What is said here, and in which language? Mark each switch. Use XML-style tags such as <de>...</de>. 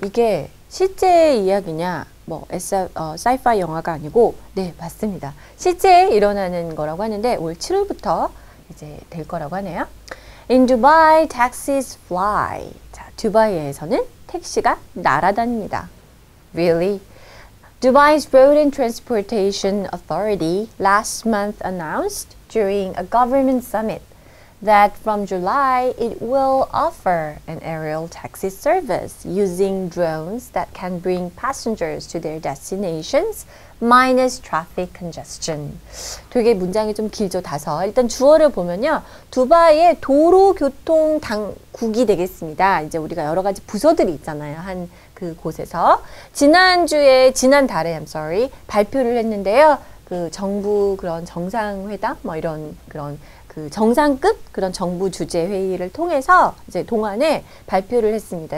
<ko>이게 실제 이야기냐? 뭐 사이파이 영화가 아니고 네, 맞습니다. 실제에 일어나는 거라고 하는데 올 7월부터 이제 될 거라고 하네요.</ko> <en>In Dubai, taxis fly.</en> <ko>자, 두바이에서는 택시가 날아다닙니다.</ko> <en>Really? Dubai's Road and Transportation Authority last month announced during a government summit that from July it will offer an aerial taxi service using drones that can bring passengers to their destinations minus traffic congestion.</en> <ko>되게 문장이 좀 길죠, 다서. 일단 주어를 보면요. 두바이의 도로교통당국이 되겠습니다. 이제 우리가 여러 가지 부서들이 있잖아요. 한 그곳에서. 지난주에, 지난달에,</ko> <en>I'm sorry,</en> <ko>발표를 했는데요. 그 정부 그런 정상회담, 뭐 이런 그런 그 정상급 그런 정부 주재 회의를 통해서 이제 동안에 발표를 했습니다.</ko>